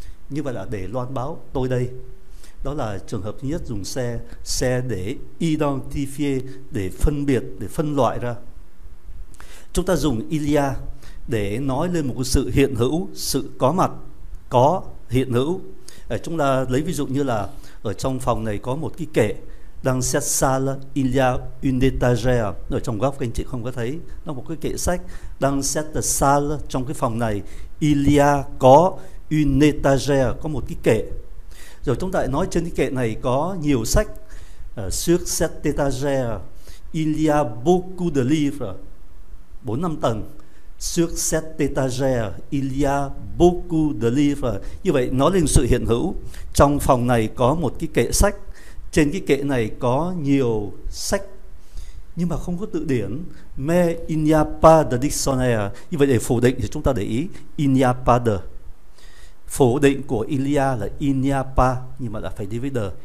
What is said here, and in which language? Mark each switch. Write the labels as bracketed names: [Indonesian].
[Vietnamese] Như vậy là để loan báo tôi đây. Đó là trường hợp thứ nhất, dùng xe, xe để identifier, để phân biệt, để phân loại ra. Chúng ta dùng ilia để nói lên một sự hiện hữu, sự có mặt, có hiện hữu. Chúng ta lấy ví dụ như là ở trong phòng này có một cái kệ. [French] Dans cette salle, il y a une étagère. [Vietnamese] Ở trong góc anh chị không có thấy. Nó một cái kệ sách. [French] Dans cette salle, [Vietnamese] trong cái phòng này, [French] il y a [Vietnamese] có [French] une étagère, [Vietnamese] có một cái kệ. Rồi chúng ta lại nói trên cái kệ này có nhiều sách. [French] Sur cette étagère, il y a beaucoup de livres. [Vietnamese] 4-5 tầng. [French] Sur cette étagère, il y a beaucoup de livres. [Vietnamese] Như vậy, nói lên sự hiện hữu. Trong phòng này có một cái kệ sách. Trên cái kệ này có nhiều sách, nhưng mà không có từ điển. [French] Mais il n'y a pas de dictionnaire. [Vietnamese] Như vậy để phủ định thì chúng ta để ý [French] il n'y a pas de. [Vietnamese] Phủ định của [French] il y a [Vietnamese] là [French] il n'y a pas, [Vietnamese] nhưng mà là phải đi với de.